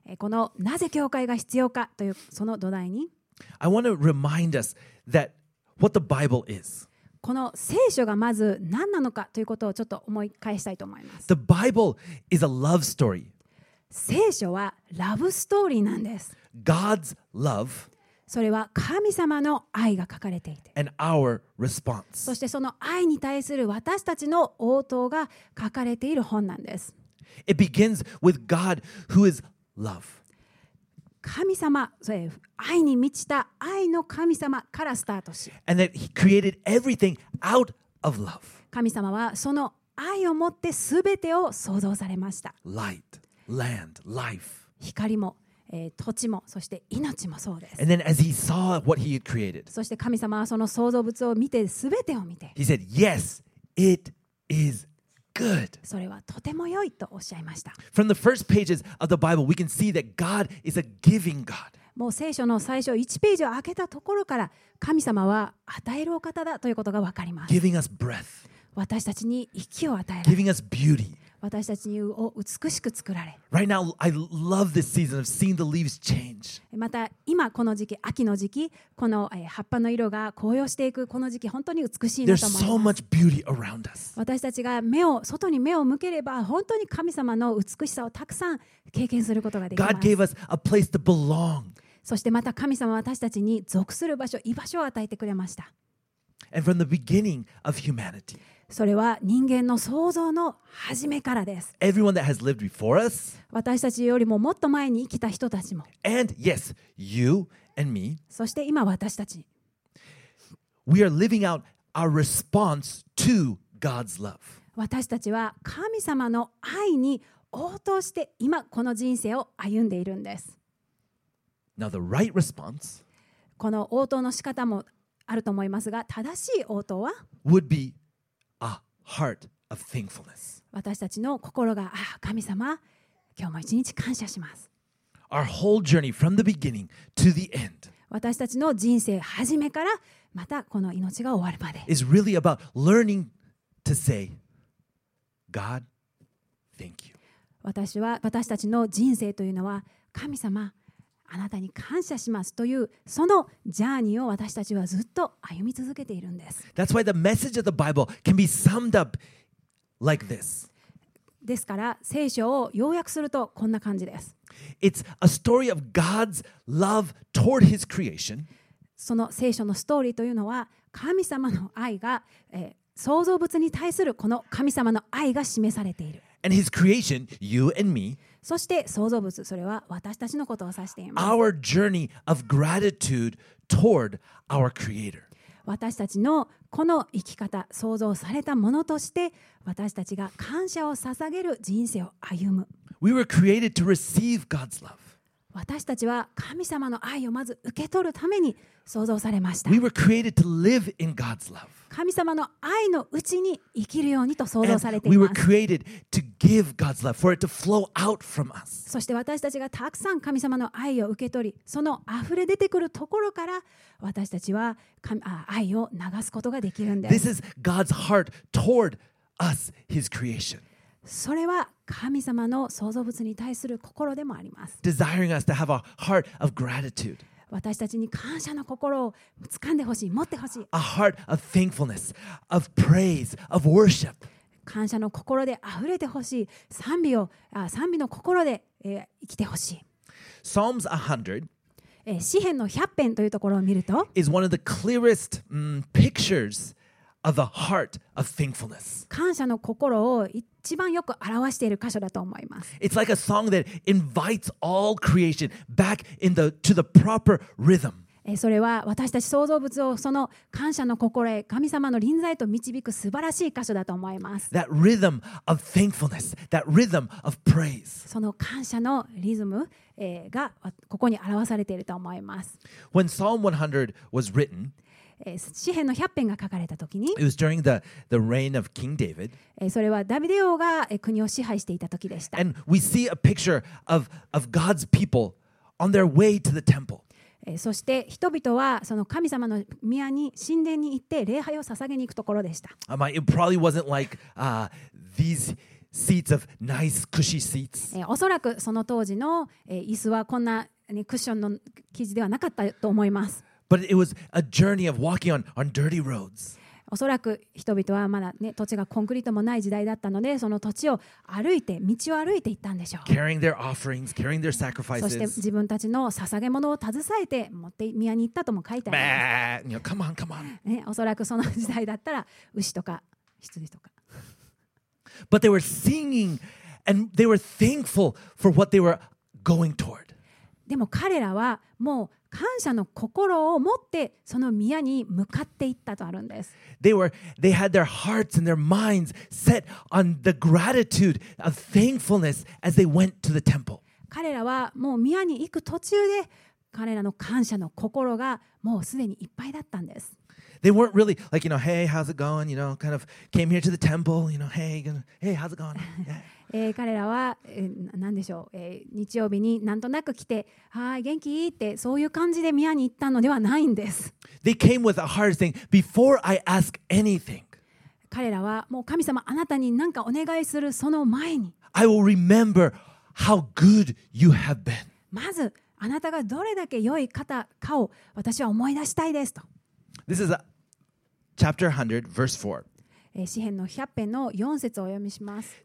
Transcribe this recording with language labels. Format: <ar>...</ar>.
<ja>このなぜ教会が必要かというその土台に、</ja> <en>I want to remind us that what the Bible is.</en> <ja>この聖書がまず何なのかということをちょっと思い返したいと思います。</ja> <en>The Bible is a love story.</en> <ja>聖書はラブストーリーなんです。</ja> <en>God's love.</en> <ja>それは神様の愛が書かれていて、</ja> <en>And our response.</en> <ja>そしてその愛に対する私たちの応答が書かれている本なんです。</ja> <en>It begins with God who is love.</en> <ja>神様、それ愛に満ちた愛の神様からスタートし、</ja> <en>And that he created everything out of love.</en> <ja>神様はその愛をもってすべてを創造されました。</ja> <en>Light, land, life.</en> <ja>光も土地もそして命もそうです。</ja> <en>And then as he saw what he had created,</en> <ja>そして神様はその創造物を見て全てを見て</ja> <en>He said, Yes, it is good.</en> <ja>それはとても良いとおっしゃいました。</ja> <en>From the first pages of the Bible, we can see that God is a giving God.</en> <ja>もう聖書の最初1ページを開けたところから神様は与えるお方だということがわかります。</ja> <en>Giving us breath.</en> <ja>私たちに息を与えられ。</ja> <en>Giving us beauty.</en> <ja>私たちにを美しく作られ。</ja> <en>Right now, I love this season of seeing the leaves change.</en> <ja>また今この時期、秋の時期、この葉っぱの色が紅葉していくこの時期、本当に美しいなと思います。</ja> <en>There's so much beauty around us.</en> <ja>私たちが目を外に目を向ければ、本当に神様の美しさをたくさん経験することができます。</ja> <en>God gave us a place to belong.</en> <ja>そしてまた神様は私たちに属する場所、居場所を与えてくれました。</ja> <en>And from the beginning of humanity.</en> <ja>それは人間の創造の始めからです。</ja> <en>Everyone that has lived before us,</en> <ja>私たちよりももっと前に生きた人たちも。</ja> <en>And yes, you and me,</en> <ja>そして今私たち。</ja> <en>We are living out our response to God's love.</en> <ja>私たちは神様の愛に応答して今この人生を歩んでいるんです。</ja> <en>Now the right response,</en> <ja>この応答の仕方もあると思いますが、正しい応答は</ja> <en>would beA heart of thankfulness.</en> <ja>私たちの心が、あ、神様、今日も一日感謝します。</ja> <en>Our whole journey from the beginning to the end.</en> <ja>私たちの人生始めからまたこの命が終わるまで。</ja> <en>Is really about learning to say, God, thank you.</en> <ja>私たちの人生というのは、神様、あなたに感謝しますというそのジャーニーを私たちはずっと歩み続けているんです。</ja> <en>That's why the message of the Bible can be summed up like this.</en> <ja>ですから聖書を要約するとこんな感じです。</ja> <en>It's a story of God's love toward His creation.</en> <ja>その聖書のストーリーというのは神様の愛が、創造物に対するこの神様の愛が示されている。</ja> <en>And His creation, you and me.</en> <ja>そして創造物、それは私たちのことを指しています。</ja> <en>Our journey of gratitude toward our Creator.</en> <ja>私たちのこの生き方、創造されたものとして、私たちが感謝を捧げる人生を歩む。</ja> <en>We were created to receive God's love.</en> <ja>私たちは神様の愛をまず受け取るために創造されました。</ja> <en>We were created to live in God's love.</en> <ja>神様の愛のうちに生きるようにと創造されています</ja> <en>。And we were created to give God's love for it to flow out from us.</en> <ja>そして私たちがたくさん神様の愛を受け取り、その溢れ出てくるところから私たちは愛を流すことができるんです。</ja> <en>This is God's heart toward us, His creation.</en> <ja>それは神様の創造物に対する心でもあります。</ja> <en>Desiring us to have a heart of gratitude.</en> <ja>私たちに感謝の心を掴んでほしい、持ってほしい。</ja> <en>A heart of thankfulness, of praise, of worship.</en> <ja>感謝の心で溢れてほしい、賛美の心で、生きてほしい。</ja> <en>Psalms 100.</en> <ja>詩編の100編というところを見ると、</ja> <en>is one of the clearest, pictures. Of the heart of thankfulness.</en> <ja>感謝の心を一番よく表している箇所だと思います。</ja> <en>It's like a song that invites all creation back to the proper rhythm.</en> <ja>それは私たち創造物をその感謝の心へ神様の臨在と導く素晴らしい箇所だと思います。</ja> <en>That rhythm of thankfulness, that rhythm of praise.</en> <ja>その感謝のリズムがここに表されていると思います。</ja> <en>When Psalm 100 was written.</en> <ja>詩編の100編が書かれた時に</ja> <en>It was during the reign of King David.</en> <ja>それはダビデ王が国を支配していた時でした。</ja> <en>And we see a picture of God's people on their way to the temple.</en> <ja>そして人々はその神様の宮に神殿に行って礼拝を捧げに行くところでした。</ja> <en>It probably wasn't like these seats of nice cushy seats.</en> <ja>おそらくその当時の椅子はこんなクッションの生地ではなかったと思います。</ja> <en>But it was a journey of walking on dirty roads.</en> <ja>おそらく人々はまだね土地がコンクリートもない時代だったので、その土地を歩いて道を歩いて行ったんでしょう。</ja> <en>Carrying their offerings, carrying their sacrifices.</en> <ja>そして自分たちの捧げ物を携えて持って宮に行ったとも書いてある。</ja> <en>Bah! You know, come on, come on.</en> <ja>ね、おそらくその時代だったら牛とか羊とか。</ja> <en>But they were singing and they were thankful for what they were going toward.</en> <ja>でも彼らはもう感謝の心を持ってその宮に向かっていったとあるんです。</ja> <en>They had their hearts and their minds set on the gratitude of thankfulness as they went to the temple.</en> <ja>彼らはもう宮に行く途中で彼らの感謝の心がもうすでにいっぱいだったんです。</ja> <en>They weren't really like, you know, hey, how's it going? You know, kind of came here to the temple, you know, hey, how's it going? Yeah.</en> <ja>彼らは、何でしょう、日曜日になんとなく来て、はい、元気いいって、そういう感じで宮に行ったのではないんです。</ja> <en>They came with a heart saying, before I ask anything,</en> <ja>彼らはもう神様、あなたに何かお願いするその前に、</ja> <en>I will remember how good you have been.</en> <ja>まず、あなたがどれだけ良い方かを私は思い出したいですと。</ja> <en>This is chapter 100, verse 4.</en> <ja>詩編の100編の4節をお読みします。</ja>